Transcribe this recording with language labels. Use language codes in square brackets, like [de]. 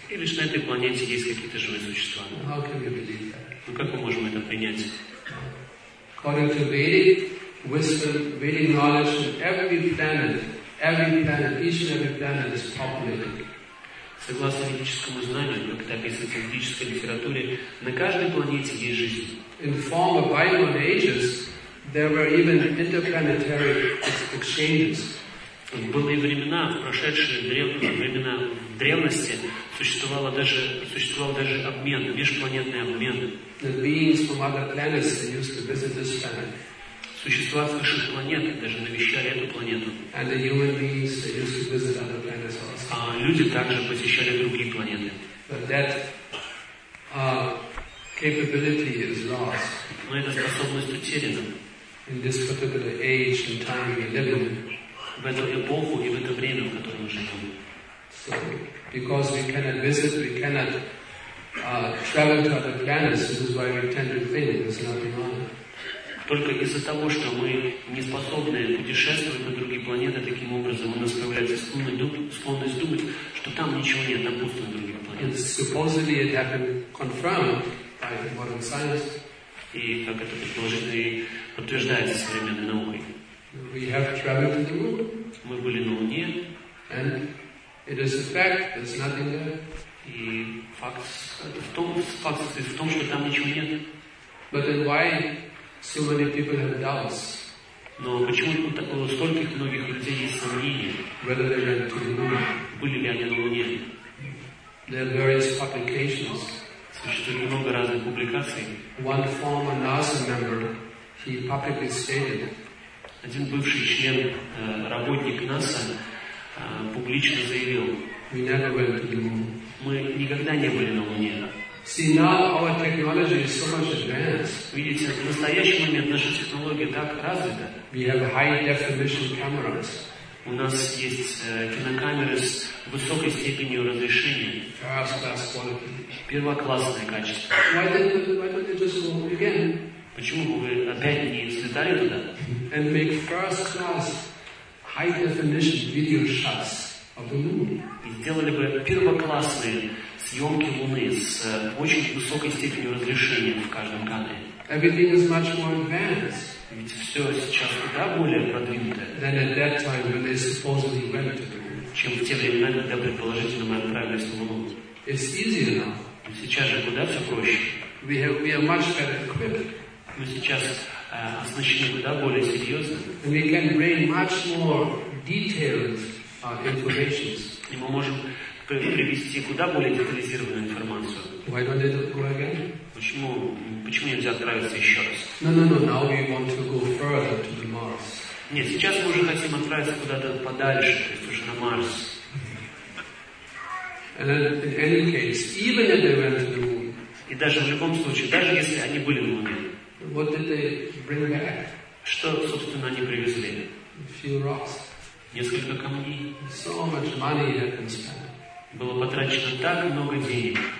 [ru] И лишь на этой планете есть какие-то живые существа. [en] How can we believe that? [ru] Ну как мы можем это принять? [en] According to Vedic wisdom, Vedic knowledge, every planet, each and every planet is populated. [ru] Согласно ведическому знанию, как это описывается в ведической литературе, на каждой планете есть жизнь. [en] In the form of bioenergies, There were even interplanetary exchanges. [ru] Были времена, в прошедшие времена в древности, существовал даже обмен, межпланетный обмен. [en] Beings from other planets used to visit this planet. [ru] Существа с высших планет даже навещали эту планету. [en] And the human beings used to visit other planets also. [ru] А люди также посещали другие планеты. [en] But that capability is lost. [ru] Но эта способность утеряна. [en] In this particular age and time we live in. [ru] В эту эпоху и в это время, в котором мы живем. [en] So, because we cannot visit, we cannot travel to other planets. This is why we tend to think there's nothing on it. [ru] Только из-за того, что мы не способны путешествовать на другие планеты таким образом, у нас появляется склонность думать, что там ничего нет, там пусто на других планетах. [en] Supposedly it had been confirmed by modern science. [ru] И как это предположительно и подтверждается современной наукой. [en] We have traveled to the moon. [ru] Мы были на Луне. [en] And it is a fact. There's nothing there. [ru] И факт в том, что там ничего нет. [en] But then why so many people have doubts? [ru] Но почему столько многих людей есть сомнения? [en] Whether they went to the moon? [ru] Были ли они на Луне? [en] There are various publications. [ru] Существует много разных публикаций. [en] One former NASA member, he publicly stated. [ru] Один бывший член, работник НАСА, публично заявил: мы никогда не были на Луне. [en] See, now our technology is so much advanced. [ru] Видите, в настоящий момент наша технология так развита. [en] We have high-definition cameras. [ru] У нас есть кинокамеры с высокой степенью разрешения. [en] First-class quality. [ru] Первоклассное качество. [en] Why don't you just go again? [ru] Почему бы вы опять не слетали туда? [en] And make first-class high-definition video shots of the moon. [ru] И сделали бы первоклассные съемки Луны с очень высокой степенью разрешения в каждом кадре. [en] Everything is much more advanced. [ru] Ведь все сейчас куда более продвинутое. [en] Than at that time when they supposedly went to the moon. [ru] Чем в те времена, когда предположительно мы отправились на Луну. [en] It's easier now. [ru] Сейчас же куда все проще. [en] We are much better equipped. [ru] Мы сейчас оснащены куда более серьезно. [en] We can bring much more detailed information. [ru] И мы можем привести куда более детализированную информацию. [en] Why don't they go again? [ru] Почему нельзя отправиться еще раз? [en] No. Now we want to go further to the Mars. [ru] Нет, сейчас мы уже хотим отправиться куда-то подальше, то есть уже на Марс. [en] And in any case, even if they went to the Moon. [ru] И даже в любом случае, даже если они были на Луне. [en] What did they bring back? [ru] Что, собственно, они привезли? [en] A few rocks. [ru] Несколько камней. [en] So much money had been spent. [ru] Было потрачено так много денег.